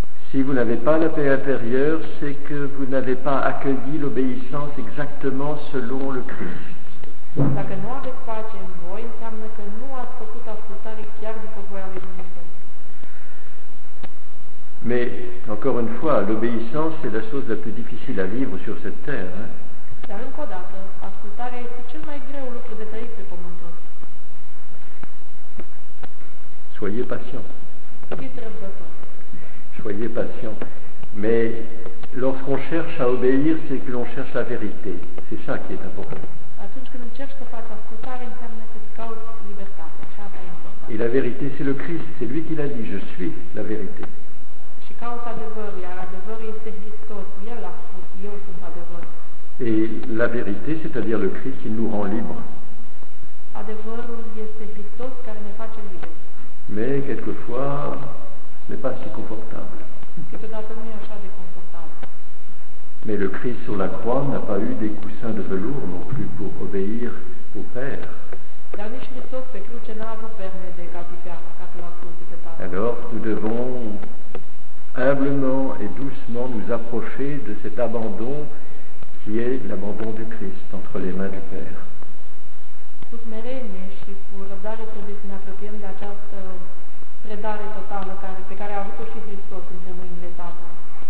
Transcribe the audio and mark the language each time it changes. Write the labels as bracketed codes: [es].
[fr] Si vous n'avez pas la paix intérieure, c'est que vous n'avez pas accueilli l'obéissance exactement selon le Christ. [ro] Dacă nu aveți pace în voi, înseamnă că nu ați făcut ascultare chiar după voia lui Dumnezeu. [fr] Mais encore une fois, l'obéissance est la chose la plus difficile à vivre sur cette terre. [ro] Dar încă o dată, ascultarea este cel mai greu lucru de trăit pe pământ. [fr] Soyez patient. [ro] Fiți răbdător. [fr] Soyez patient. Mais lorsqu'on cherche à obéir, c'est que l'on cherche la vérité. C'est ça qui est important. [ro] Atunci când încerci să faci ascultare, înseamnă că îți cauți libertate. Și asta e important. [fr] Et la vérité, c'est le Christ. C'est lui qui l'a dit, je suis la vérité. [ro] Și cauți adevărul, iar adevărul este Hristos. El l-a spus, eu sunt adevărul. [fr] Et la vérité, c'est-à-dire le Christ qui nous rend libre. [ro] Adevărul este Hristos care ne face liberi. [fr] Mais quelquefois, ce n'est pas si confortable. [ro] Câteodată nu e așa de confortabil. [fr] Mais le Christ sur la croix n'a pas eu des coussins de velours non plus pour obéir au Père. [ro] Dar nici Hristos pe cruce n-a avut perne de catifea ca să-l asculte pe Tatăl. [fr] Alors nous devons humblement et doucement nous approcher de cet abandon qui est l'abandon du Christ entre les mains du Père. [ro] Cu smerenie și cu răbdare trebuie să ne apropiem de această predare totală care, pe care a avut-o și Hristos între mâinile Tatălui.